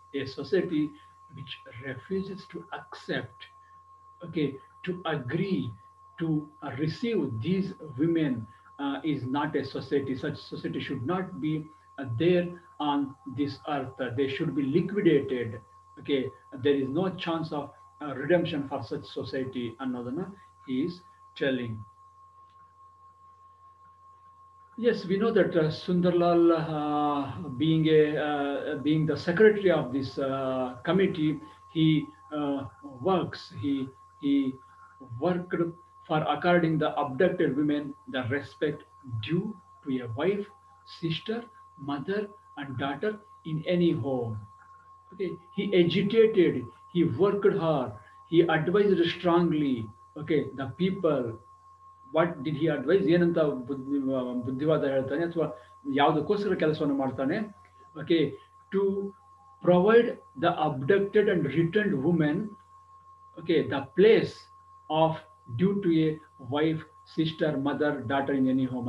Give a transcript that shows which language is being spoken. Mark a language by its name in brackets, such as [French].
[English] A society which refuses to accept, okay, to agree to receive these women is not a society. Such society should not be there on this earth. They should be liquidated. Okay, there is no chance of redemption for such society ಅನ್ನೋದನ್ನು is telling. Yes, we know that Sundarlal being being the secretary of this committee, he works, he worked for according the abducted women the respect due to a wife, sister, mother and daughter in any home. Okay, he agitated, he worked hard, he advised strongly, okay, the people, what did he advise, [Kannada] ಏನಂತ ಬುದ್ಧಿವಾದ ಹೇಳ್ತಾನೆ ಅಥವಾ ಯಾವುದಕ್ಕೋಸ್ಕರ ಕೆಲಸವನ್ನು ಮಾಡ್ತಾನೆ? [English] Okay, to provide the abducted and returned women okay the place of due to a wife sister mother daughter in any home.